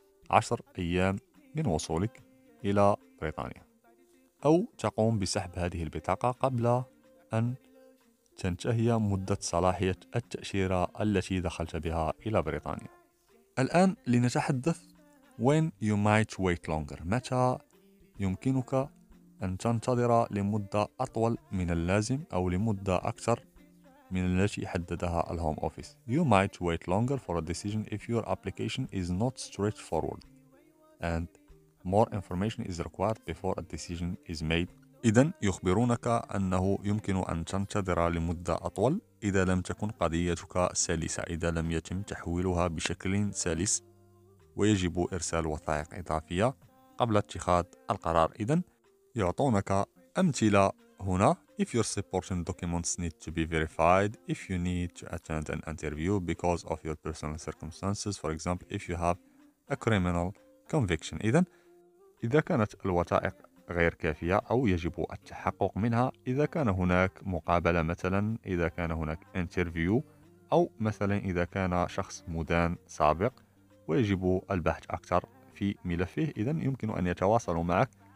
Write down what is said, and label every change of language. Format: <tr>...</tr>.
<ar>10 أيام من وصولك إلى بريطانيا، أو تقوم بسحب هذه البطاقة قبل أن تنتهي مدة صلاحية التأشيرة التي دخلت بها إلى بريطانيا. الآن لنتحدث</ar> <en>When you might wait longer،</en> <ar>متى يمكنك أن تنتظر لمدة أطول من اللازم أو لمدة أكثر من التي حددها الهوم أوفيس.</ar> <en>You might wait longer for a decision if your application is not straightforward and more information is required before a decision is made.</en> <ar>إذن يخبرونك أنه يمكن أن تنتظر لمدة أطول إذا لم تكن قضيتك سلسة، إذا لم يتم تحويلها بشكل سلس، ويجب إرسال وثائق إضافية قبل اتخاذ القرار. إذن يعطونك أمثلة هنا:</ar> <en>If your supporting documents need to be verified, if you need to attend an interview because of your personal circumstances, for example, if you have a criminal conviction.</en> <ar>إذن إذا كانت الوثائق غير كافية أو يجب التحقق منها، إذا كان هناك مقابلة مثلا، إذا كان هناك interview، أو مثلا إذا كان شخص مدان سابق ويجب البحث أكثر في ملفه، إذن يمكن أن يتواصلوا معك</ar>